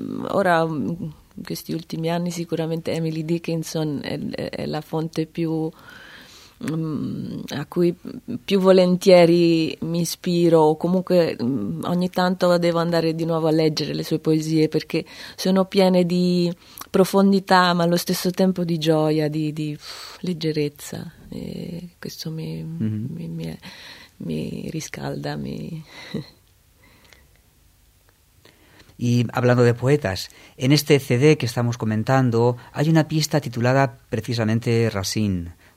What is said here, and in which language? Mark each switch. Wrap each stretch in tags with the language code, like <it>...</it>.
<es>Ahora, en estos últimos años, seguramente Emily Dickinson es la fuente más...</es> <it>a cui più volentieri mi ispiro, o comunque ogni tanto devo andare di nuovo a leggere le sue poesie, perché sono piene di profondità ma allo stesso tempo di gioia, di leggerezza, e questo mi riscalda, mi...</it> <es>Y hablando de poetas, en este CD que estamos comentando hay una pista titulada precisamente Racine.</es>